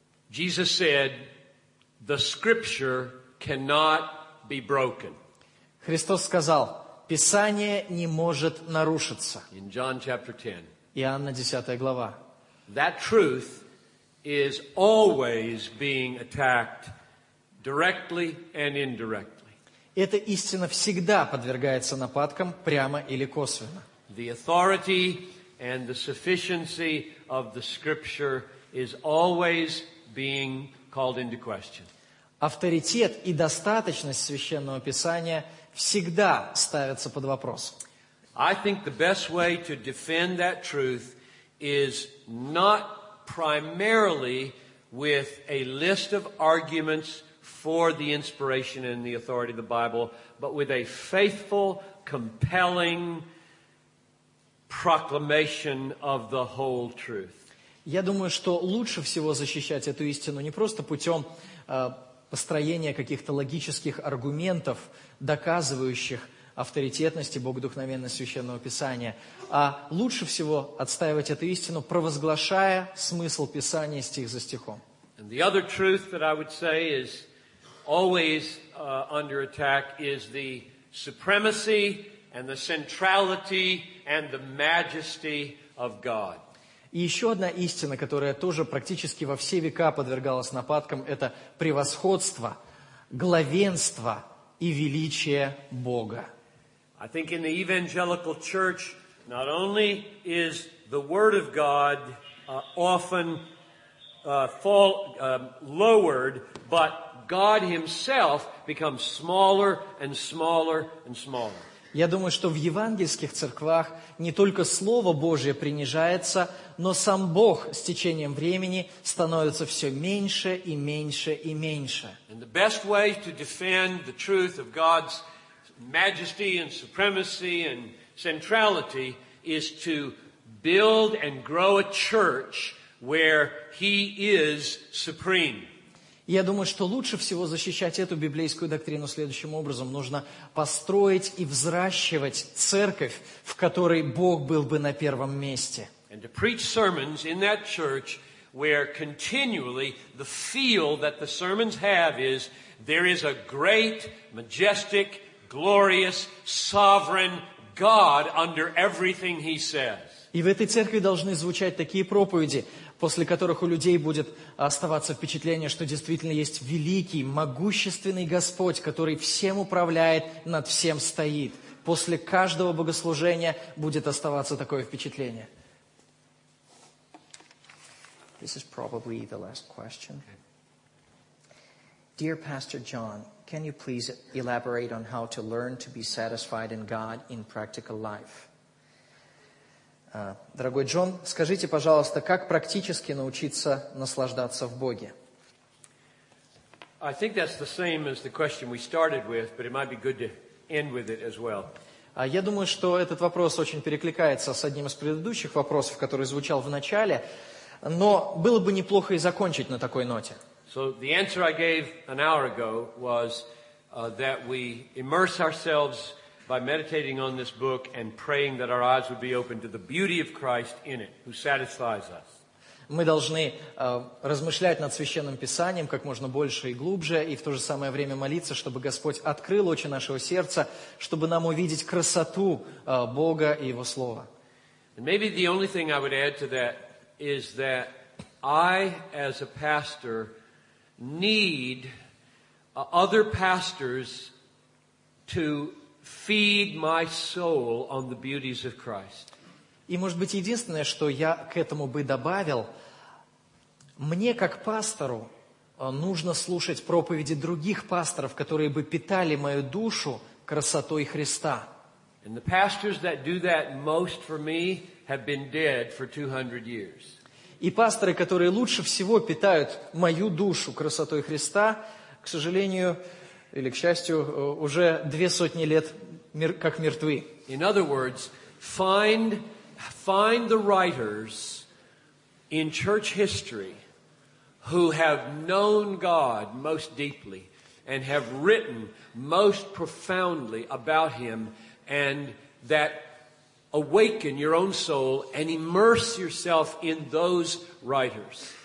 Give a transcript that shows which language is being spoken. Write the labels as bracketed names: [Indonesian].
[English] Jesus said, "The Scripture cannot be broken." [Russian] Христос сказал: Писание не может нарушиться. [English] In John chapter 10. [Russian] Иоанна 10 глава. [English] That truth is always being attacked directly and indirectly. [Russian] Эта истина всегда подвергается нападкам прямо или косвенно. [English] The authority and the sufficiency of the Scripture is always being called into question. [Russian] Авторитет и достаточность Священного Писания всегда ставятся под вопрос. [English] I think the best way to defend that truth is not primarily with a list of arguments for the inspiration and the authority of the Bible, but with a faithful, compelling proclamation of the whole truth. [Russian] Я думаю, что лучше всего защищать эту истину не просто путем построения каких-то логических аргументов, доказывающих авторитетность и богодухновенность Священного Писания, а лучше всего отстаивать эту истину, провозглашая смысл Писания стих за стихом. [English] And the other truth that I would say is always under attack is the supremacy and the centrality and the majesty of God. [Russian] И еще одна истина, которая тоже практически во все века подвергалась нападкам, это превосходство, главенство и величие Бога. [English] I think in the evangelical church, not only is the word of God often lowered, but God himself becomes smaller and smaller and smaller. [Russian] Я думаю, что в евангельских церквах не только Слово Божие принижается, но сам Бог с течением времени становится все меньше и меньше и меньше. [English] And the best way to defend the truth of God's majesty and supremacy and centrality is to build and grow a church where he is supreme. [Russian] Я думаю, что лучше всего защищать эту библейскую доктрину следующим образом. Нужно построить и взращивать церковь, в которой Бог был бы на первом месте. [English] And to preach sermons in that church where continually the feel that the sermons have is there is a great, majestic, glorious, sovereign God under everything he says. [Russian] И в этой церкви должны звучать такие проповеди, после которых у людей будет оставаться впечатление, что действительно есть великий, могущественный Господь, который всем управляет, над всем стоит. После каждого богослужения будет оставаться такое впечатление. [English] This is probably the last question. Dear Pastor John, can you please elaborate on how to learn to be satisfied in God in practical life? [Russian] Дорогой Джон, скажите, пожалуйста, как практически научиться наслаждаться в Боге? [English] I think that's the same as the question we started with, but it might be good to end with it as well. [Russian] Я думаю, что этот вопрос очень перекликается с одним из предыдущих вопросов, который звучал в начале, но было бы неплохо и закончить на такой ноте. [English] So the answer I gave an hour ago was that we immerse ourselves by meditating on this book and praying that our eyes would be open to the beauty of Christ in it, who satisfies us. [Russian] Мы должны размышлять над Священным Писанием как можно больше и глубже, и в то же самое время молиться, чтобы Господь открыл очи нашего сердца, чтобы нам увидеть красоту Бога и Его Слова. [English] And maybe the only thing I would add to that is that I, as a pastor, need other pastors to feed my soul on the beauties of Christ. [Russian] И, может быть, единственное, что я к этому бы добавил, мне, как пастору, нужно слушать проповеди других пасторов, которые бы питали мою душу красотой Христа. [English] And the pastors that do that most for me have been dead for 200 years. [Russian] И пасторы, которые лучше всего питают мою душу красотой Христа, к сожалению, или к счастью, уже 200 лет как мертвы. [English] In other words, find the writers in church history who have known God most deeply and have written most profoundly about him, and that awaken your own soul and immerse yourself in those writers.